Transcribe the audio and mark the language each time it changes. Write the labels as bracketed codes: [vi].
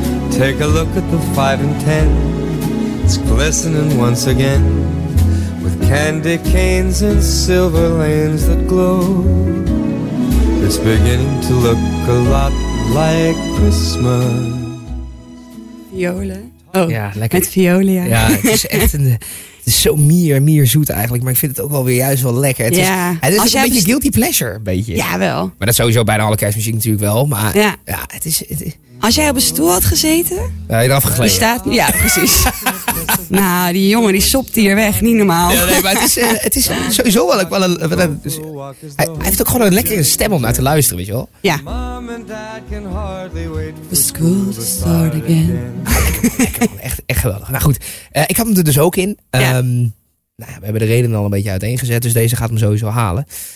[en] Take a look at the 5 and 10. It's glistening once again with candy canes and silver lanes that glow. It's beginning to look a lot like Christmas. [nl] Violen. Oh, ja, lekker. Met violen, ja. Ja, het is echt een. Het is zo meer zoet eigenlijk, maar ik vind het ook wel weer juist wel lekker. Het is een beetje guilty pleasure, een beetje. Ja, wel. Maar dat is sowieso bijna alle kerstmuziek natuurlijk wel. Maar ja, ja, het is. Als jij op een stoel had gezeten. Ja, je eraf gegleden. Ja, precies. Nou, die jongen die sopt hier weg, niet normaal. Ja, nee, maar het is sowieso wel een. Dus, hij heeft ook gewoon een lekkere stem om naar te luisteren, weet je wel? Ja. [en] The school to start again. [nl] Echt geweldig. Nou goed, ik had hem er dus ook in. Ja. Nou, we hebben de reden al een beetje uiteengezet, dus deze gaat hem sowieso halen.